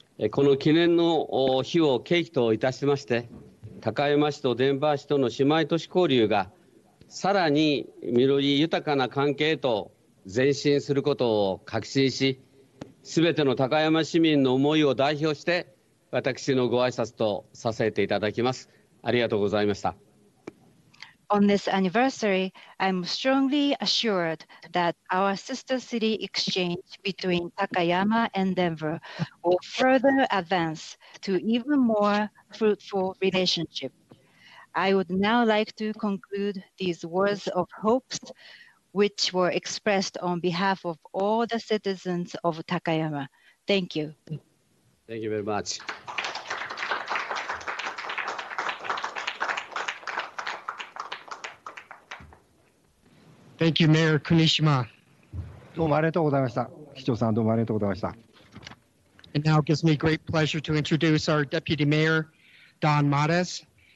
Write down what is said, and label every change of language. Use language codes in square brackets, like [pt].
[ja] この記念の日を契機といたしまして、高山市とデンバー市との姉妹都市交流がさらに実り豊かな関係へと前進することを確信し、すべての高山市民の思いを代表して私のご挨拶とさせていただきます。ありがとうございました。 [en] On this anniversary, I'm strongly assured that our sister city exchange between Takayama and Denver will further advance to even more fruitful relationship. I would now like to conclude these words of hopes which were expressed on behalf of all the citizens of Takayama. Thank you. Thank you very much. Thank you, Mayor Kunishima. [ja] どうもありがとうございました。市長さん、どうもありがとうございました。 [en] And now it gives me great pleasure to introduce our Deputy Mayor, Don Mattes.